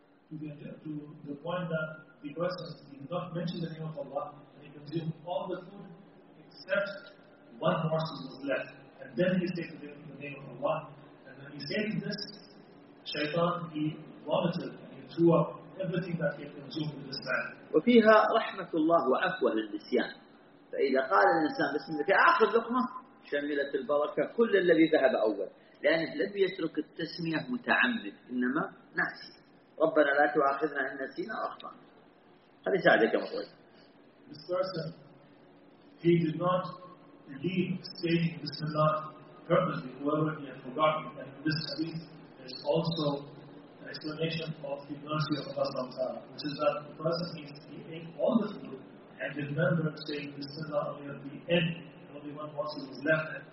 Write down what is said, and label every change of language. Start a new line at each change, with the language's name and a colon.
English: To the point that the person did not mention the name of Allah, and he consumed all the food except one morsel was left, and then he stated the name of Allah. And when he stated this, shaitan, he vomited and he threw up everything that he had consumed in this man.
Arabic: وفيها رحمة الله وعفوة للنسيان. فإذا قال الإنسان بسم الله آخر لقمة شملت البركة كل الذي ذهب أول, لأنه لم يترك التسمية متعمد, إنما ناسي. ربنا لا تؤاخذنا إن نسينا أخطأنا. هذا يساعدك يا مطوي.
English: This person, he did not leave stating Bismillah purposely, however he had forgotten. And this hadith is also an explanation of the mercy of Allah Subhanahu wa Taala, which is that the person he ate all the food and remembered saying Bismillah only at the end, only one morsel was left.